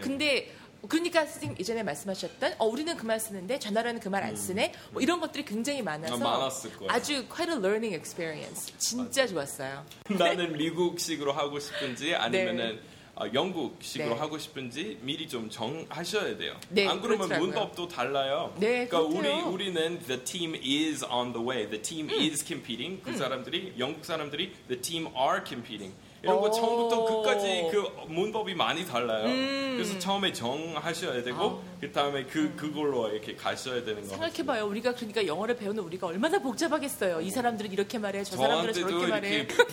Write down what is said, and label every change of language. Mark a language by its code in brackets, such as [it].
[ko] 근데 그러니까 선생님 이전에 말씀하셨던 우리는 그만 쓰는데 전화라는 그 말 안 쓰네 뭐 이런 것들이 굉장히 많아서 많았을 거예요. 아주 [en] quite a learning experience [ko] 진짜 맞아. 좋았어요. 나는 미국식으로 하고 싶은지 아니면은 네. 영국식으로 네. 하고 싶은지 미리 좀 정하셔야 돼요. 네, 안 그러면 그렇더라고요. 문법도 달라요. 네, 그러니까 그렇대요. 우리는 [en] the team is on the way, the team is competing. [ko] 그 사람들이 영국 사람들이 [en] the team are competing. [ko] 이런 거 처음부터 끝까지 그 문법이 많이 달라요. 그래서 처음에 정하셔야 되고 그다음에 그걸로 이렇게 가셔야 되는 거예요. 생각해 봐요. 우리가 그러니까 영어를 배우는 우리가 얼마나 복잡하겠어요. 이 사람들은 이렇게 말해, 저 사람들은 저렇게 말해.